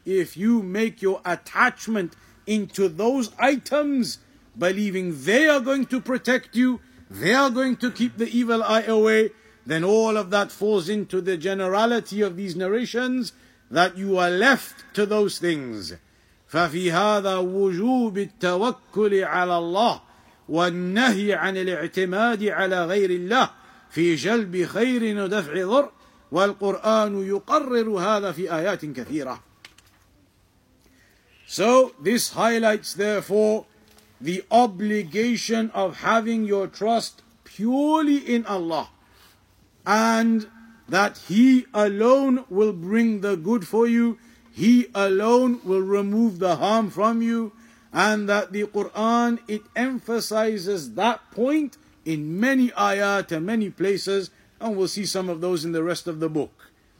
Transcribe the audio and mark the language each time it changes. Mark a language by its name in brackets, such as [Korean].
[English] If you make your attachment into those items, believing they are going to protect you, they are going to keep the evil eye away, then all of that falls into the generality of these narrations, that you are left to those things. [Arabic] فَفِي هَذَا وُجُوبِ التَّوَكُّلِ عَلَى اللَّهِ والنهي عن الاعتماد على غير الله في جلب خير ودفع ضر، والقرآن يقرر هذا في آيات كثيرة. [English] So this highlights therefore the obligation of having your trust purely in Allah, and that He alone will bring the good for you, He alone will remove the harm from you, and that the Quran, it emphasizes that point in many ayat and many places, and we'll see some of those in the rest of the book.